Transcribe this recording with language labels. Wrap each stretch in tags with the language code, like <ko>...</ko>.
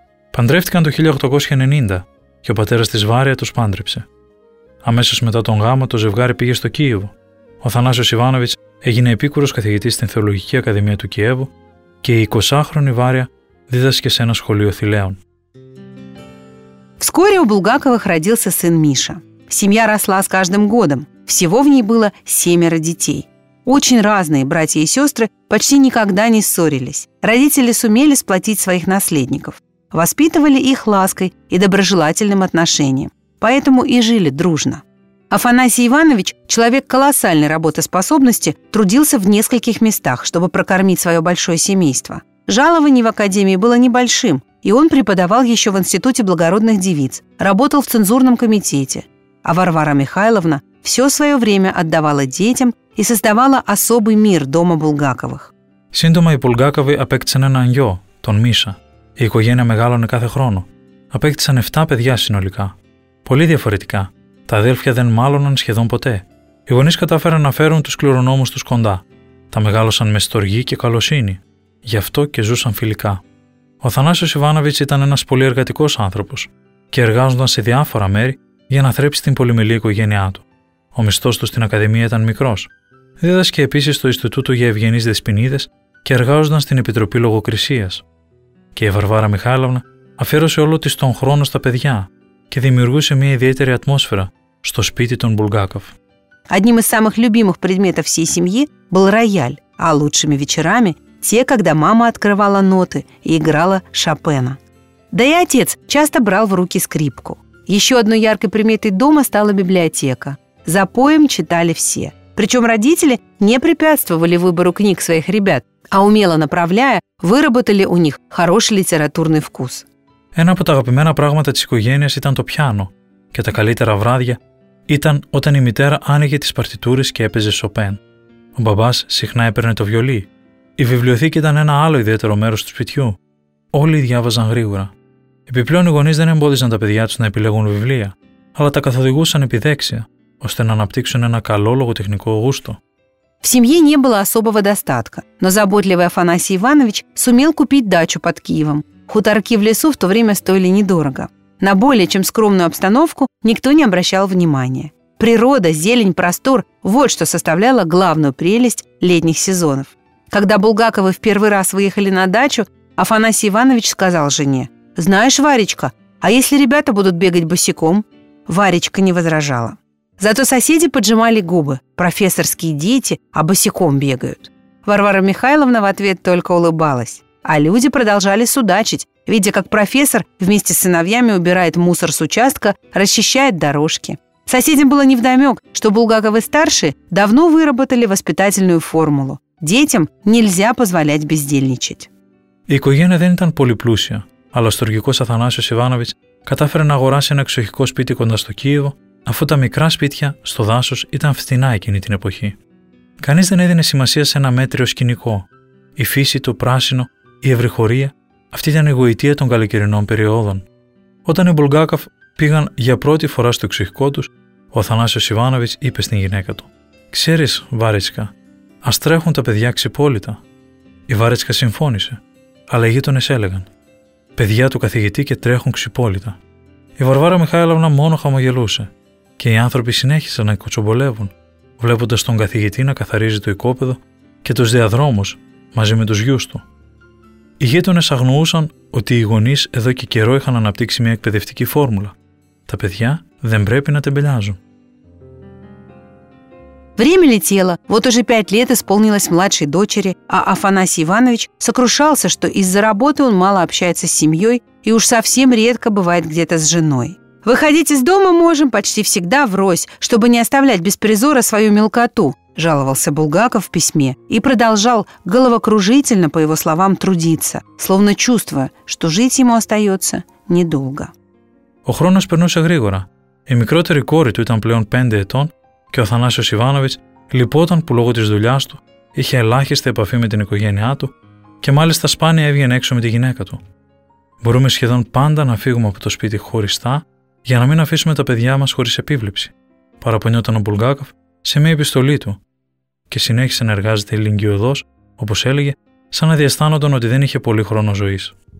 <el>Παντρεύτηκαν το 1890 και ο πατέρας της Βάρια τους πάντρεψε. Αμέσως μετά τον γάμο το ζευγάρι πήγε στο Κίεβο. Ο Αθανάσιος Ιβάνοβιτς έγινε επίκουρος καθηγητής στην Θεολογική Ακαδημία του Κιέβου και η 20χρονη Βάρια δίδασκε σε ένα σχολείο θηλαίων.</el> <ru>Вскоре у Булгаковых родился сын Миша. Семья росла с каждым годом. Всего в ней было 7 детей. Очень разные братья и сестры почти никогда не ссорились. Родители сумели сплотить своих наследников. Воспитывали их лаской и доброжелательным отношением. Поэтому и жили дружно. Афанасий Иванович, человек колоссальной работоспособности, трудился в нескольких местах, чтобы прокормить свое большое семейство. Жалование в академии было небольшим, и он преподавал еще в Институте благородных девиц, работал в цензурном комитете. А Варвара Михайловна все свое время отдавала детям и создавала особый мир дома Булгаковых.</ru> <el>Сύντομα οι Булгаковы απέκτησαν έναν γιο, τον Миша. Η οικογένεια μεγάλωνε κάθε χρόνο. Απέκτησαν 7 παιδιά συνολικά. Πολύ διαφορετικά. Τα αδέλφια δεν μάλωναν σχεδόν ποτέ. Οι γονείς κατάφεραν να φέρουν τους κληρονόμους τους κοντά. Τα μεγάλωσαν με στοργή και καλοσύνη. Γι' αυτό και ζούσαν φιλικά. Ο Αθανάσιος Ιβάνοβιτς ήταν ένας πολύ εργατικός άνθρωπος και εργάζονταν σε διάφορα μέρη για να θρέψει την πολυμελή οικογένειά του. Ο μισθός του στην Ακαδημία ήταν μικρός. Δίδασκε επίσης στο Ινστιτούτο για Ευγενείς Δεσποινίδες και εργάζονταν στην Επιτροπή Λογοκρισίας. Και η Βαρβάρα Μιχάλαβνα αφιέρωσε όλο της τον χρόνο στα παιδιά και δημιουργούσε μια ιδιαίτερη ατμόσφαιρα στο σπίτι των Μπουλγάκοφ.</el> <ru>Одним из самых любимых предметов всей семьи был рояль, а лучшими вечерами те, когда мама открывала ноты и играла Шопена. Да и отец часто брал в руки скрипку. Еще одной яркой приметой дома стала библиотека. Запоем читали все. Причем родители не препятствовали выбору книг своих ребят, а умело направляя, выработали у них хороший литературный вкус.</ru> <el>Ένα από τα αγαπημένα πράγματα της οικογένειας ήταν το πιάνο και τα καλύτερα βράδια ήταν όταν η μητέρα άνοιγε τις παρτιτούρες και έπαιζε Σοπέν. Ο μπαμπάς συχνά έπαιρνε το βιολί. Η βιβλιοθήκη ήταν ένα άλλο ιδιαίτερο μέρος του σπιτιού. Όλοι διάβαζαν γρήγορα. Επιπλέον οι γονείς δεν εμπόδιζαν τα παιδιά τους να επιλέγουν βιβλία, αλλά τα καθοδηγούσαν επιδέξια, ώστε να αναπτύξουν ένα καλό λογοτεχνικό γούστο.</el> <ru>В семье не было особого достатка, но заботливый Афанасий Иванович сумел купить дачу под Киевом. Хуторки в лесу в то время стоили недорого. На более чем скромную обстановку никто не обращал внимания. Природа, зелень, простор – вот что составляло главную прелесть летних сезонов. Когда Булгаковы в первый раз выехали на дачу, Афанасий Иванович сказал жене: «Знаешь, Варечка, а если ребята будут бегать босиком?» Варечка не возражала. Зато соседи поджимали губы. Профессорские дети, а босиком бегают. Варвара Михайловна в ответ только улыбалась. А люди продолжали судачить, видя, как профессор вместе с сыновьями убирает мусор с участка, расчищает дорожки. Соседям было невдомек, что Булгаковы-старшие давно выработали воспитательную формулу. Детям нельзя позволять бездельничать.</ru> <el>Η οικογένεια δεν ήταν πολύ πλούσια, αλλά ο στουργικός Αθανάσιος Ιβάνοβιτς κατάφερε να αγοράσει ένα εξοχικό σπίτι κοντά στο Κίεβο, αφού τα μικρά σπίτια στο δάσος ήταν φθηνά εκείνη την εποχή. Κανείς δεν έδινε σημασία σε ένα μέτριο σκηνικό. Η φύση, το πράσινο, η ευρυχωρία, αυτή ήταν η γοητεία των καλοκαιρινών περιόδων. Όταν οι Μπουλγάκοφ πήγαν για πρώτη φορά στο εξοχικό τους, ο Αθανάσιος Ιβάνοβιτς είπε στην γυναίκα του: «Ξέρεις, Βάρετσικα, ας τρέχουν τα παιδιά ξυπόλυτα». Η Βάρετσικα συμφώνησε, αλλά οι γείτονες έλεγαν: «Παιδιά του καθηγητή και τρέχουν ξυπόλυτα». Η Βαρβάρα Μιχάηλαυνα μόνο χαμογελούσε και οι άνθρωποι συνέχισαν να κοτσομπολεύουν, βλέποντας τον καθηγητή να καθαρίζει το οικόπεδο και τους διαδρόμους μαζί με τους γιους του. Οι γείτονες αγνοούσαν ότι οι γονείς εδώ και καιρό είχαν αναπτύξει μια εκπαιδευτική φόρμουλα. Τα παιδιά δεν πρέπει να τεμπελιάζουν.</el> <ru>Время летело, вот уже 5 лет исполнилось младшей дочери, а Афанасий Иванович сокрушался, что из-за работы он мало общается с семьей и уж совсем редко бывает где-то с женой. «Выходить из дома можем почти всегда врозь, чтобы не оставлять без призора свою мелкоту», – жаловался Булгаков в письме и продолжал головокружительно, по его словам, трудиться, словно чувствуя, что жить ему остается недолго.</ru> <el>Ο хронос περνούσε γρήγορα. Η μικρότερη κόρη του ήταν πλέον 5 ετών, και ο Αθανάσιος Ιβάνοβιτς λυπόταν που λόγω της δουλειάς του είχε ελάχιστη επαφή με την οικογένειά του και μάλιστα σπάνια έβγαινε έξω με τη γυναίκα του. «Μπορούμε σχεδόν πάντα να φύγουμε από το σπίτι χωριστά για να μην αφήσουμε τα παιδιά μας χωρίς επίβλεψη», παραπονιόταν ο Μπουλγάκοφ σε μια επιστολή του και συνέχισε να εργάζεται ηλικιωδώς, όπως έλεγε, σαν να διαισθάνονταν ότι δεν είχε πολύ χρόνο ζωής.</el>